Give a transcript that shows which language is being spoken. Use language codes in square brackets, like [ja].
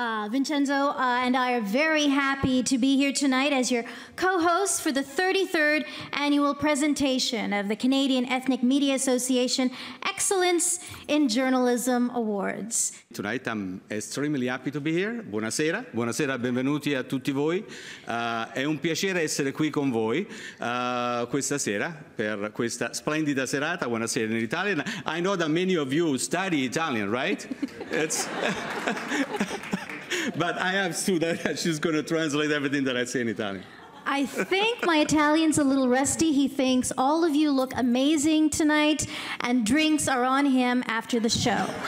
[en] Vincenzo and I are very happy to be here tonight as your co-hosts for the 33rd annual presentation of the Canadian Ethnic Media Association Excellence in Journalism Awards. Tonight I'm extremely happy to be here. [it] Buonasera. Buonasera, benvenuti a tutti voi. È un piacere essere qui con voi questa sera per questa splendida serata. [en] Buonasera in Italian. I know that many of you study Italian, right? It's... But I have Sudha that she's going to translate everything that I say in Italian. I think my Italian's a little rusty. He thinks all of you look amazing tonight, and drinks are on him after the show.